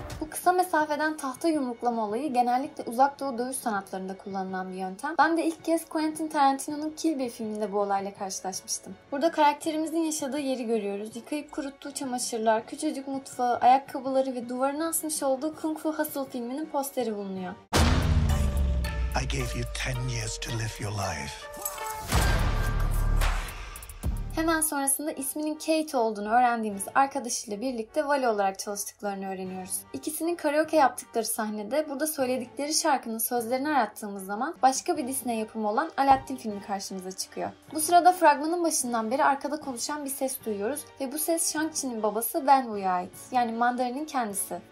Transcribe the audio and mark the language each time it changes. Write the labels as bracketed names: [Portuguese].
[Turkish] Kısa mesafeden tahta yumruklama olayı genellikle uzak doğu dövüş sanatlarında kullanılan bir yöntem. Ben de ilk kez Quentin Tarantino'nun Kill Bill filminde bu olayla karşılaşmıştım. Burada karakterimizin yaşadığı yeri görüyoruz. Yıkayıp kuruttuğu çamaşırlar, küçücük mutfağı, ayakkabıları ve duvarına asmış olduğu Kung Fu Hustle filminin posteri bulunuyor. [English] I gave you 10 years to live your life. [Turkish] Hemen sonrasında isminin Kate olduğunu öğrendiğimiz arkadaşıyla birlikte Vali olarak çalıştıklarını öğreniyoruz. İkisinin karaoke yaptıkları sahnede burada söyledikleri şarkının sözlerini arattığımız zaman başka bir Disney yapımı olan Aladdin filmi karşımıza çıkıyor. Bu sırada fragmanın başından beri arkada konuşan bir ses duyuyoruz ve bu ses Shang-Chi'nin babası Ben Wu'ya ait, yani Mandarin'in kendisi.